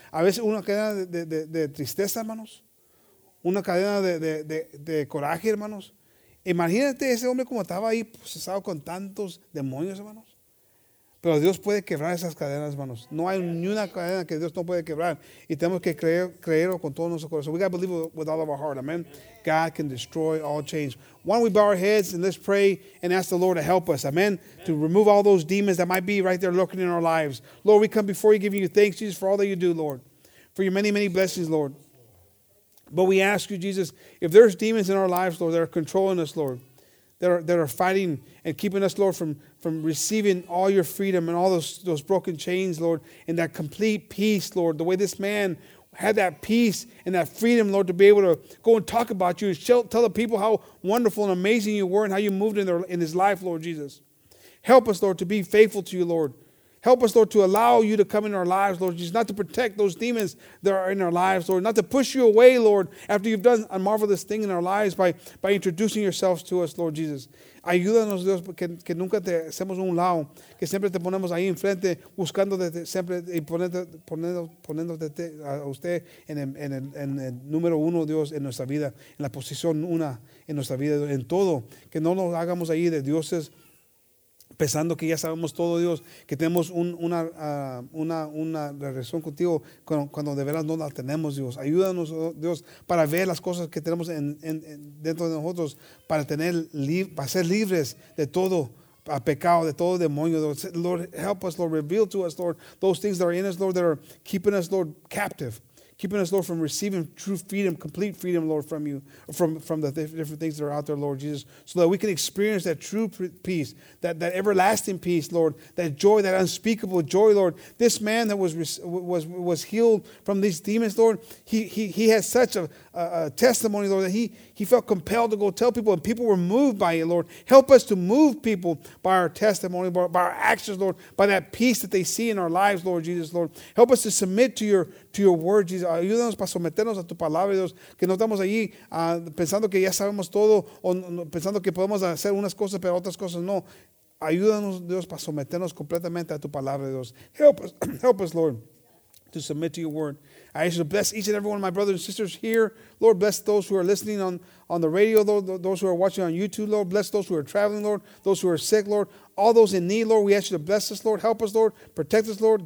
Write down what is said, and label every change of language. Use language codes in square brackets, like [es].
[es] A veces una cadena de tristeza, hermanos. Una cadena de coraje, hermanos. Imagínate ese hombre como estaba ahí procesado con tantos demonios, hermanos. Pero Dios puede quebrar esas cadenas, hermanos. No hay ni una cadena que Dios no puede quebrar. Y tenemos que creerlo con todo nuestro corazón. [en] We got to believe with all of our heart. Amen. God can destroy all chains. Why don't we bow our heads and let's pray and ask the Lord to help us. Amen. Amen. To remove all those demons that might be right there lurking in our lives. Lord, we come before you giving you thanks, Jesus, for all that you do, Lord. For your many, many blessings, Lord. But we ask you, Jesus, if there's demons in our lives, Lord, that are controlling us, Lord. That are fighting and keeping us, Lord, from receiving all your freedom and all those broken chains, Lord, and that complete peace, Lord. The way this man had that peace and that freedom, Lord, to be able to go and talk about you and tell the people how wonderful and amazing you were and how you moved in his life, Lord Jesus. Help us, Lord, to be faithful to you, Lord. Help us, Lord, to allow you to come in our lives, Lord Jesus, not to protect those demons that are in our lives, Lord, not to push you away, Lord, after you've done a marvelous thing in our lives by introducing yourselves to us, Lord Jesus. [es] Ayúdanos, Dios, que nunca te hacemos un lado, que siempre te ponemos ahí enfrente, buscando siempre y poniéndote a usted en el número uno, Dios, en nuestra vida, en la posición una en nuestra vida, en todo, que no nos hagamos ahí de dioses, pensando que ya sabemos todo, Dios, que tenemos una relación contigo cuando de veras no la tenemos, Dios. Ayúdanos, Dios, para ver las cosas que tenemos en dentro de nosotros, para ser libres de todo pecado, de todo demonio. Dios. [en] Lord, help us, Lord, reveal to us, Lord, those things that are in us, Lord, that are keeping us, Lord, captive. Keeping us, Lord, from receiving true freedom, complete freedom, Lord, from you, from the different things that are out there, Lord Jesus, so that we can experience that true peace, that everlasting peace, Lord, that joy, that unspeakable joy, Lord. This man that was healed from these demons, Lord, he had such a testimony, Lord, that he felt compelled to go tell people, and people were moved by it, Lord. Help us to move people by our testimony, by our actions, Lord, by that peace that they see in our lives, Lord Jesus, Lord. Help us to submit to your word, Jesus. [es] Ayúdanos para someternos a tu palabra, Dios, que no estamos allí pensando que ya sabemos todo o pensando que podemos hacer unas cosas pero otras cosas no. Ayúdanos, Dios, para someternos completamente a tu palabra, Dios. [en] Help us, Lord, to submit to your word. I ask you to bless each and every one of my brothers and sisters here. Lord, bless those who are listening on on the radio, Lord, those who are watching on YouTube, Lord. Bless those who are traveling, Lord. Those who are sick, Lord. All those in need, Lord, we ask you to bless us, Lord. Help us, Lord. Protect us, Lord.